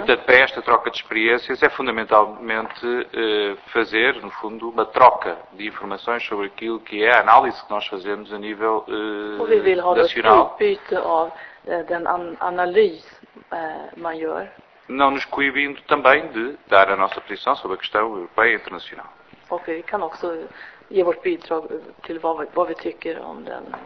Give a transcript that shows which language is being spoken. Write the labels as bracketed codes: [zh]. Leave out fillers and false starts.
[pt] Portanto, para esta troca de experiências é fundamentalmente fazer, no fundo, uma troca de informações sobre aquilo que é a análise que nós fazemos a nível nacional. [sv] Vi vill ha ett utbyte av den analys man gör. [pt] Não nos coibindo também de dar a nossa posição sobre a questão europeia e internacional. [sv] och vi kan också ge vårt bidrag till vad vi tycker om den.